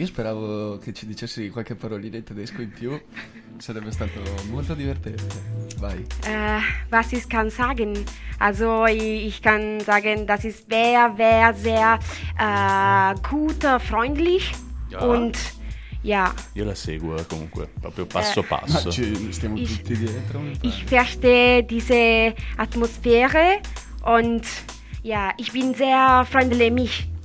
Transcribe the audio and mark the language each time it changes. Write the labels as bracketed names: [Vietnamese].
[Italian] Io speravo che ci dicessi qualche parolina in tedesco in più. Sarebbe stato molto divertente. Vai. [German] Was ich kann sagen? Also, ich kann sagen, das ist sehr, sehr gut, freundlich. Ja. Und, ja. [Italian] Io la seguo comunque, proprio passo passo. Ma ci stiamo tutti dietro. [German] Ich verstehe diese Atmosphäre und, ja, ich bin sehr freundlich.